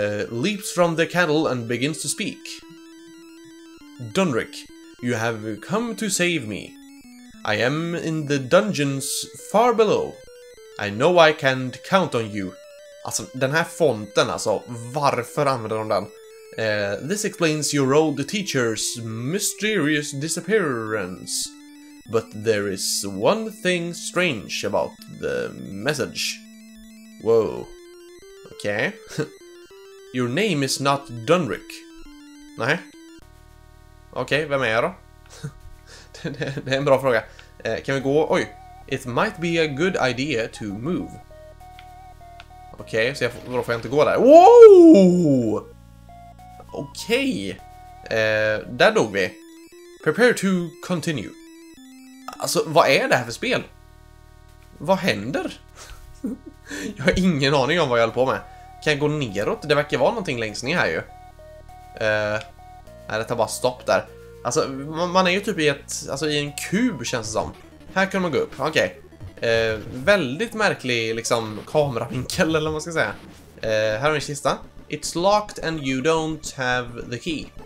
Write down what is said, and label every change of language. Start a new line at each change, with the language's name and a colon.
English: Leaps from the kettle and begins to speak. Dunric, you have come to save me. I am in the dungeons far below. I know I can't count on you.
Swedish: Alltså, den här fonten alltså. Varför använder de den?
English: This explains your old teacher's mysterious disappearance. But there is one thing strange about the message. Whoa. Okay. Your name is not Dunric.
Swedish: Nej. Okej, vem är jag då? Det är en bra fråga. Kan vi gå? Oj.
English: It might be a good idea to move.
Swedish: Okej, okay, då får jag inte gå där. Whoa! Okej, där dog vi.
English: Prepare to continue.
Swedish: Alltså, vad är det här för spel? Vad händer? Jag har ingen aning om vad jag håller på med. Kan jag gå neråt? Det verkar vara någonting längst ner här ju. Nej, det tar bara stopp där. Alltså, man är ju typ i ett, alltså i en kub känns det som. Här kan man gå upp, okej. Väldigt märklig liksom kameravinkel eller vad man ska säga. Här har vi en kista.
English: It's locked and you don't have the key.